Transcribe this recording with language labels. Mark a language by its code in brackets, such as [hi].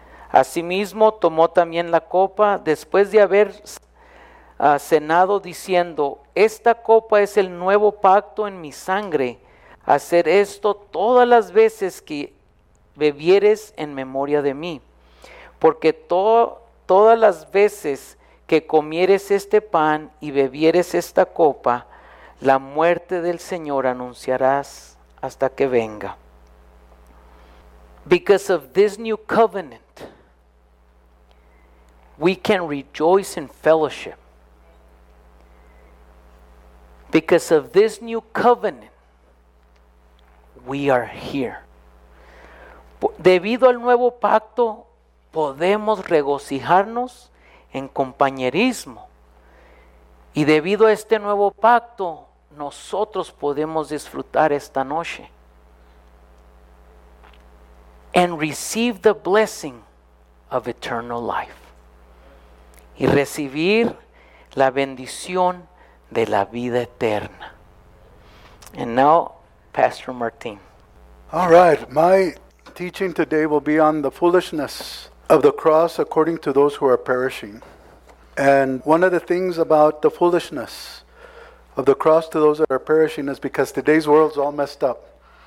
[es] Asimismo tomó también la copa, después de haber cenado, diciendo: esta copa es el nuevo pacto en mi sangre, haced esto todas las veces que bebieres en memoria de mí. Porque todas las veces que comieres este pan y bebieres esta copa, la muerte del Señor anunciarás hasta que venga. [en] Because of this new covenant, we can rejoice in fellowship. Because of this new covenant, we are here. [es] Debido al nuevo pacto, podemos regocijarnos en compañerismo. Y debido a este nuevo pacto, nosotros podemos disfrutar esta noche. [en] And receive the blessing of eternal life. [es] Y recibir la bendición de la vida eterna. [en] And now, Pastor Martin. All right, my teaching today will be on the foolishness of the cross according to those who are perishing. And one of the things about the foolishness of the cross to those that are perishing is because today's world's all messed up.